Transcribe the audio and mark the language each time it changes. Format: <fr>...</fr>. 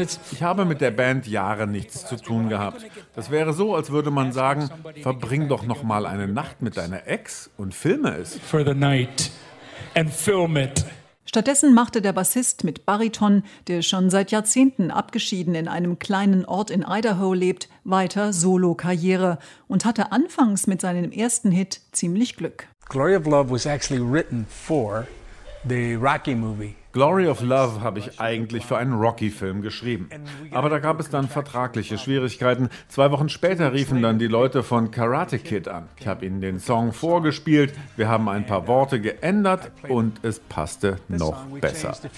<de>Ich habe mit der Band Jahre nichts zu tun gehabt. Das wäre so, als würde man sagen, verbring doch noch mal eine Nacht mit deiner Ex und filme es.</de> <en>For the night and film it.</en> <de>Stattdessen machte der Bassist mit Bariton, der schon seit Jahrzehnten abgeschieden in einem kleinen Ort in Idaho lebt, weiter Solo-Karriere und hatte anfangs mit seinem ersten Hit ziemlich Glück.</de> <en>Glory of Love was actually written for the Rocky movie.</en> <de>Glory of Love habe ich eigentlich für einen Rocky-Film geschrieben. Aber da gab es dann vertragliche Schwierigkeiten. 2 Wochen später riefen dann die Leute von Karate Kid an. Ich habe ihnen den Song vorgespielt, wir haben ein paar Worte geändert und es passte noch besser.</de>